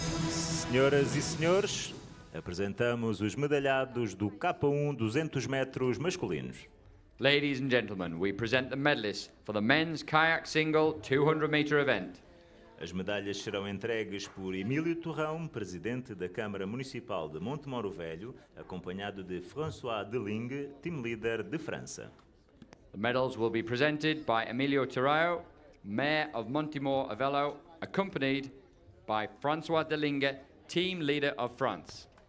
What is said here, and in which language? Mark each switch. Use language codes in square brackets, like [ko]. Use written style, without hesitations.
[pt] Senhoras e senhores, apresentamos os medalhados do K1 200 metros masculinos. [en] Ladies and gentlemen, we present the medalists for the men's kayak single 200 meter event. [pt] As medalhas serão entregues por Emílio Torrão, presidente da Câmara Municipal de Montemor-o-Velho, acompanhado de François Delingue, team leader de França. [en] The medals will be presented by Emílio Torrão, mayor of Montemor-o-Velho, accompanied by François Delingue, team leader of France.